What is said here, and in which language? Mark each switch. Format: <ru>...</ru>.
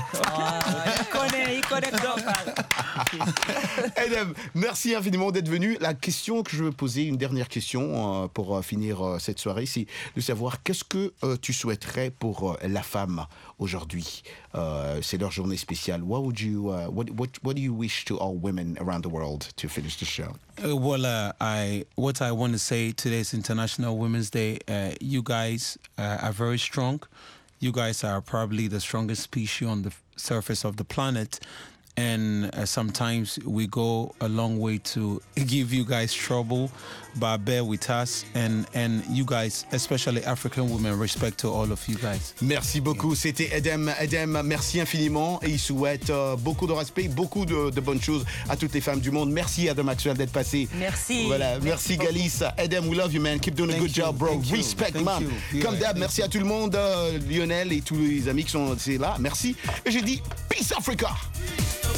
<fr>Oh, il connaît bien. Edem, merci infiniment d'être venu. La question que je veux poser, une dernière question pour finir cette soirée, c'est de savoir qu'est-ce que tu souhaiterais pour la femme aujourd'hui. C'est leur journée spéciale.</fr> <en>What would you, what do you wish to all women around the world to finish the show? Well, what I want to say today is International Women's Day. You guys are very strong. You guys are probably the strongest species on the surface of the planet. And sometimes we go a long way to give you guys trouble, but bear with us. And you guys, especially African women, respect to all of you guys.</en> <fr>Merci beaucoup. C'était Edem. Edem, merci infiniment. Et il souhaite beaucoup de respect, beaucoup de bonnes choses à toutes les femmes du monde. Merci Adam Maxwell d'être passé. Merci. Voilà. Merci Galis.</fr> <en>Edem, we love you, man. Keep doing a good job, bro. Respect, man.</en> <fr>Comme d'hab, merci à tout le monde. Lionel et tous les amis qui sont là. Merci. Et j'ai dit,</fr> <en>peace Africa. Peace.</en>